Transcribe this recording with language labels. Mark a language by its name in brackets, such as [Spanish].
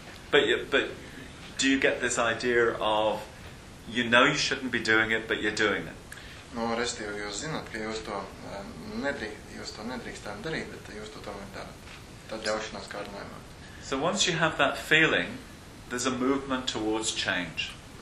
[English] But do you get this idea of you know you shouldn't be doing it but you're doing it? [Latvian] No, restīvi, jūs zināt, ka jūs to nedrīkstām darīt, bet jūs to tomēr darat. Tad ļaušanās kārdinājumā. [English] So once you have that feeling, there's a movement towards change.